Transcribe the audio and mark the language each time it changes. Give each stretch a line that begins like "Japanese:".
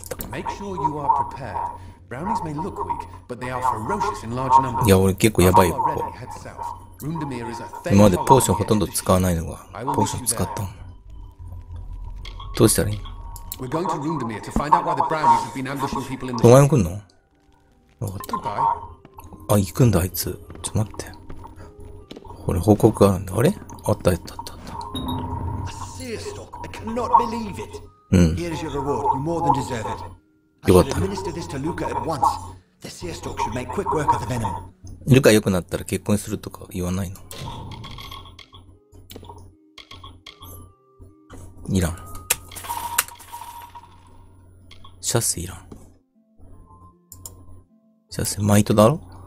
English: Make sure you are prepared. Brownies may look weak, but they are ferocious in large numbers.
Japanese: いや、俺結構やばいよ。今までポーションほとんど使わないのが、ポーション使ったの。どうしたらいい？
English: We're going to Rundamir to find out why the brownies have been ambushing people in the
Japanese: city. お前も来んの？分かった。あ、行くんだ、あいつ。ちょっと待って。俺、報告があるんだ。あれ？あった、あった、あった。
English: A seer stalk. I cannot believe it. Here is your reward. You more than deserve it. I should administer this to Luca at once. The seer stalk should make quick work of the venom.
Japanese: ルカ良くなったら結婚するとか言わないの？いらん。シャッセいらん。シャッセマイトだろ？